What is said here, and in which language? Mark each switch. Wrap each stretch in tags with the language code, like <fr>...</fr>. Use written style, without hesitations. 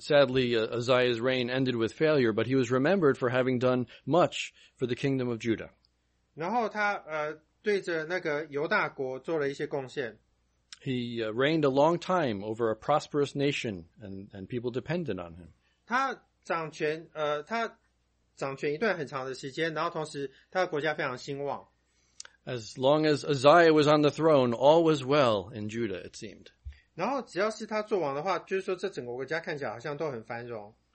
<en>sadly, Uzziah's reign ended with failure, but he was remembered for having done much for the kingdom of Judah.</en> <zh>然后他对着那个犹大国做了一些贡献。</zh> <en>He reigned a long time over a prosperous nation, and people depended on him.</en> <zh>他掌权一段很长的时间，然后同时他的国家非常兴旺。</zh> <en>As long as Uzziah was on the throne, all was well in Judah, it seemed.</en> <zh>然后只要是他做王的话，就是说这整个国家看起来好像都很繁荣。</zh>